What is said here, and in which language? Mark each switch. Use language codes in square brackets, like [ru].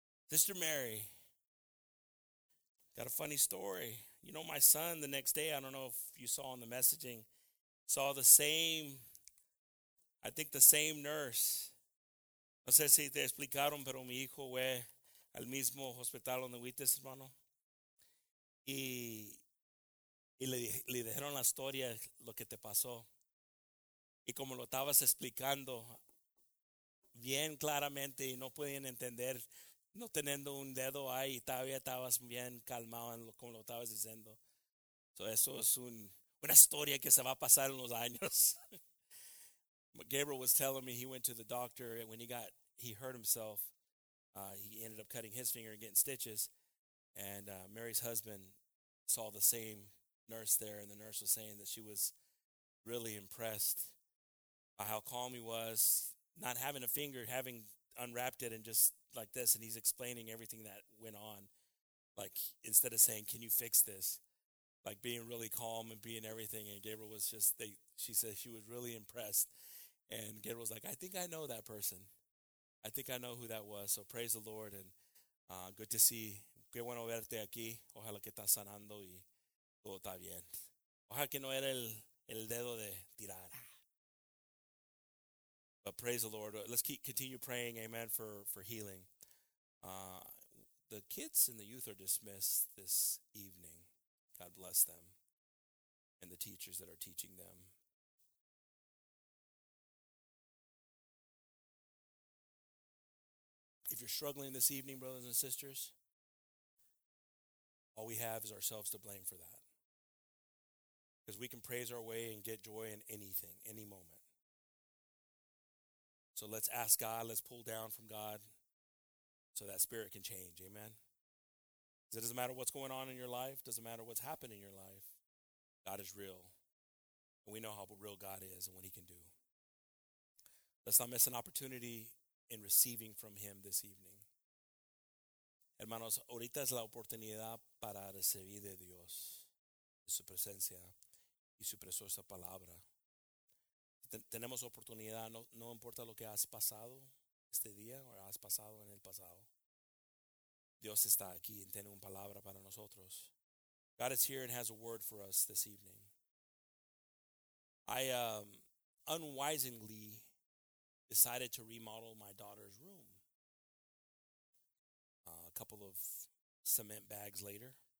[en] Sister Mary, got a funny story. You know, my son, the next day, I don't know if you saw in the messaging, saw the same, I think the same nurse. [es] No sé si te explicaron, pero mi hijo fue al mismo hospital donde fuiste, hermano. Y le dijeron la historia, lo que te pasó. Y como lo estabas explicando bien claramente y no podían entender, no teniendo un dedo ahí, todavía estabas bien calmado en lo, como lo estabas diciendo. So eso es una historia que se va a pasar en los años. [en] Gabriel was telling me he went to the doctor and when he hurt himself, he ended up cutting his finger and getting stitches. And Mary's husband saw the same nurse there and the nurse was saying that she was really impressed by how calm he was, not having a finger, having unwrapped it and just like this, and he's explaining everything that went on, like instead of saying, can you fix this, like being really calm and being everything. And Gabriel was just, she said she was really impressed. And Gabriel was like, I think I know that person. I think I know who that was. So praise the Lord, and good to see. [es] Qué bueno verte aquí. Ojalá que estás sanando y todo está bien. Ojalá que no era el dedo de tirar. [en] But praise the Lord. Let's continue praying, amen, for healing. The kids and the youth are dismissed this evening. God bless them and the teachers that are teaching them. If you're struggling this evening, brothers and sisters, all we have is ourselves to blame for that. Because we can praise our way and get joy in anything, any moment. So let's ask God, let's pull down from God so that spirit can change, amen? Because it doesn't matter what's going on in your life, doesn't matter what's happened in your life, God is real. And we know how real God is and what he can do. Let's not miss an opportunity in receiving from him this evening. [es] Hermanos, ahorita es la oportunidad para recibir de Dios, de su presencia y su preciosa palabra. Tenemos oportunidad, no importa lo que has pasado este día o has pasado en el pasado. Dios está aquí y tiene una palabra para nosotros. [en] God is here and has a word for us this evening. I unwisely decided to remodel my daughter's room. A couple of cement bags later.